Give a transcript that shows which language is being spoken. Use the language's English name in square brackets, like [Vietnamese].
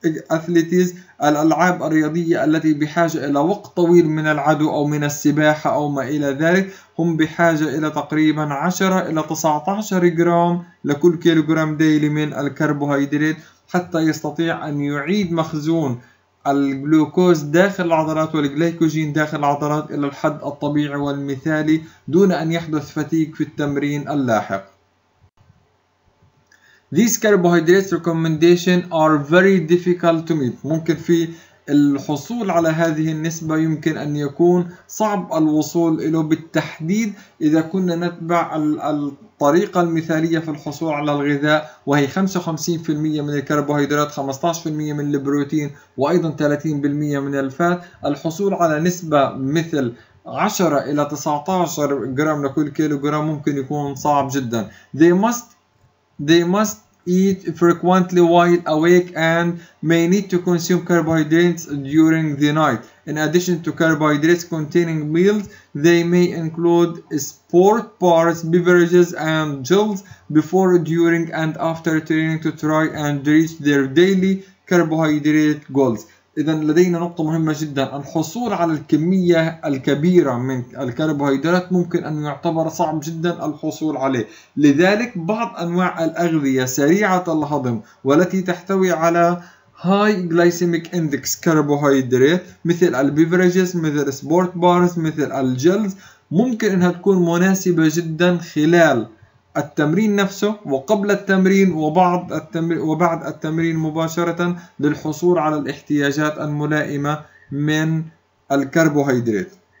[Arabic] أثليتيز الألعاب الرياضية التي بحاجة إلى وقت طويل من العدو أو من السباحة أو ما إلى ذلك، هم بحاجة إلى تقريبا 10 إلى 19 جرام لكل كيلوغرام ديلي من الكربوهيدرات حتى يستطيع أن يعيد مخزون الجلوكوز داخل العضلات والجليكوجين داخل العضلات إلى الحد الطبيعي والمثالي دون أن يحدث فتيك في التمرين اللاحق. [English] These carbohydrates recommendations are very difficult to meet. [Arabic] ممكن في الحصول على هذه النسبة يمكن أن يكون صعب الوصول إليه بالتحديد إذا كنا نتبع الطريقة المثالية في الحصول على الغذاء وهي 55% من الكربوهيدرات 15% من البروتين وأيضا 30% من الفات. الحصول على نسبة مثل 10 إلى 19 جرام لكل كيلو جرام ممكن يكون صعب جدا. [English] They must eat frequently while awake and may need to consume carbohydrates during the night. In addition to carbohydrates containing meals, they may include sport bars, beverages and gels before, during and after training to try and reach their daily carbohydrate goals. [Arabic] إذا لدينا نقطة مهمة جدا، الحصول على الكمية الكبيرة من الكربوهيدرات ممكن أن يعتبر صعب جدا الحصول عليه، لذلك بعض أنواع الأغذية سريعة الهضم والتي تحتوي على [English] High Glycemic Index Carbohydrate [Arabic] مثل البيفرجز مثل سبورت بارز مثل الجلز ممكن أنها تكون مناسبة جدا خلال التمرين نفسه وقبل التمرين وبعد التمرين مباشرة للحصول على الاحتياجات الملائمة من الكربوهيدرات.